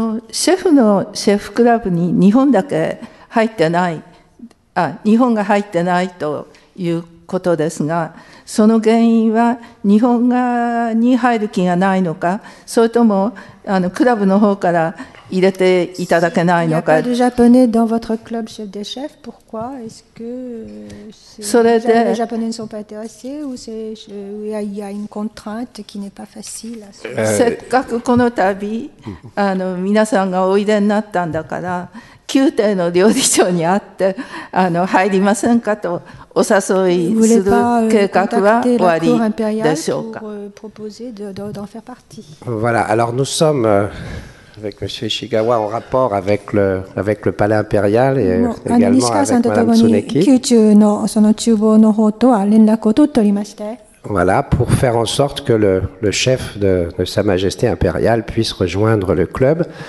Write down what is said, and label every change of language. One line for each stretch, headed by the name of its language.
Japanese: シェフのシェフクラブに日本だけ入ってない、日本が入ってないということですが、その原因は日本側に入る気がないのか、それともクラブの方から入れていただけないのか。
French: ジャパネー dans votre club chef de chef pourquoi est-ce que
Japanese: それで
French: les japonais ne sont pas intéressés ou c'est il y a une contrainte qui n'est pas facile。
Japanese: せっかくこの度皆さんがおいでになったんだから、宮廷の料理長に会って入りませんかとお誘いする計画は終わりでしょうか。
French: voilà, alors nous sommes avec M. Ishigawa en rapport avec le palais impérial et également avec Mme Tsuneki. Voilà, pour faire en sorte que le chef de Sa Majesté impériale puisse rejoindre le club.